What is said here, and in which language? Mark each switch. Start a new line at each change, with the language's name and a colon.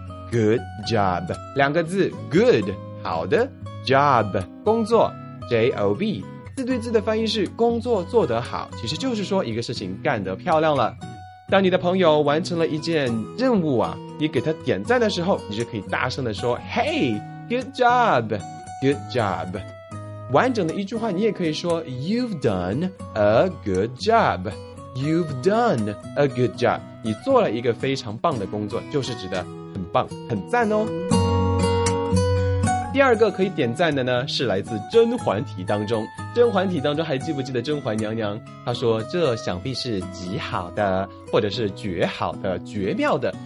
Chinese: good job 两个字， good 好的， job 工作， job 字对字的翻译是工作做得好，其实就是说一个事情干得漂亮了。当你的朋友完成了一件任务啊，你给他点赞的时候，你就可以大声地说
English: Hey, good job, good job。
Chinese: 完整的一句话你也可以说
English: You've done a good job, You've done a good job。
Chinese: 你做了一个非常棒的工作，就是指的很棒很赞哦。第二个可以点赞的呢，是来自甄嬛体当中。甄嬛体当中还记不记得甄嬛娘娘，她说这想必是极好的，或者是绝好的，绝妙的。